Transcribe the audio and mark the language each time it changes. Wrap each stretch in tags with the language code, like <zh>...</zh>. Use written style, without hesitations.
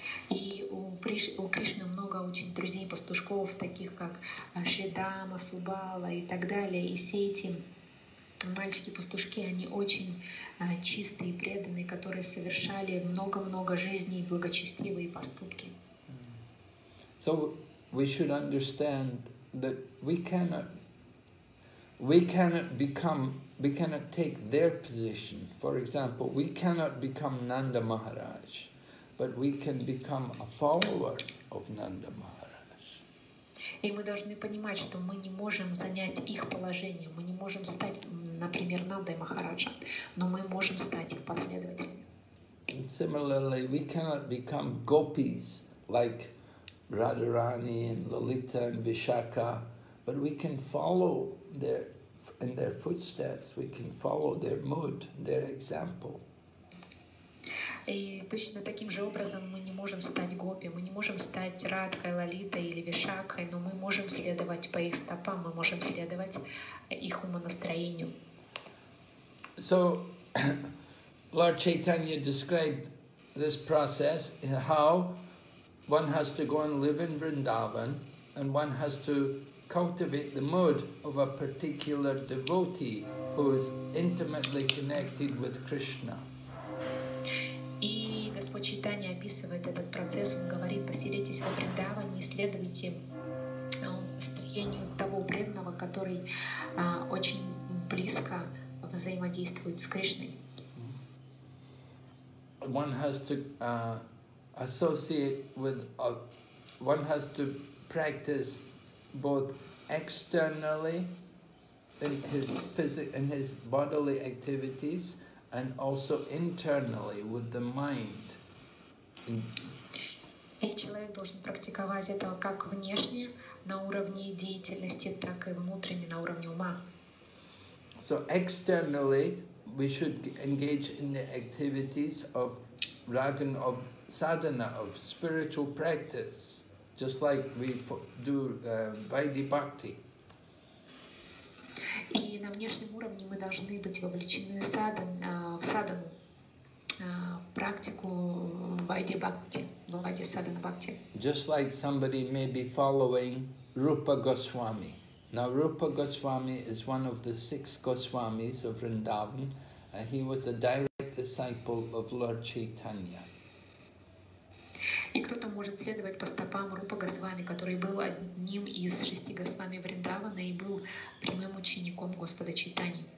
<ru>И у Кришны много очень друзей-пастушков, таких как Шридама, Субала и так далее. И все эти мальчики-пастушки, они очень чистые и преданные, которые совершали много-много жизней, благочестивые поступки.</ru> <en>So we should understand that we cannot take their position. For example, we cannot become Nanda Maharaj, but we can become a follower of Nanda Maharaj.</en> <ru>И мы должны понимать, что мы не можем занять их положение, мы не можем стать, например, Нандой Махараджа, но мы можем стать их последователями.</ru> <en>And similarly, we cannot become gopis like Radharani and Lalita and Vishakha, but we can follow in their footsteps, we can follow their mood, their example.</en> <ru>И точно таким же образом мы не можем стать гопи, мы не можем стать Радхой, Лалитой или Вишакхой, но мы можем следовать по их стопам, мы можем следовать их умонастроению.</ru> <en>So, Lord Chaitanya described this process, how one has to go and live in Vrindavan, and one has to cultivate the mood of a particular devotee who is intimately connected with Krishna.</en> <ru>Читание описывает описывает этот процесс. Он говорит: поселитесь во Вриндаване, исследуйте настроение того преданного, который очень близко взаимодействует с Кришной.</ru> <en>One has to associate with one has to practice both externally in his bodily activities and also internally with the mind.</en> <ru>И человек должен практиковать это как внешне на уровне деятельности, так и внутренне на уровне ума.</ru> <en>So externally we should engage in the activities of Ragan of sadhana, of spiritual practice, just like we do Vaidhi Bhakti.</en> <ru>И на внешнем уровне мы должны быть вовлечены в садхану, в практику Vaidhi Bhakti, Vaidhi Sadhana Bhakti.</ru> <en>Just like somebody may be following Rupa Goswami. Now Rupa Goswami is one of the six Goswamis of Vrindavan, and he was a direct disciple of Lord Chaitanya.</en> <ru>И кто-то может следовать по стопам Рупа Госвами, который был одним из шести Госвами Вриндавана и был прямым учеником Господа Чайтаньи.</ru>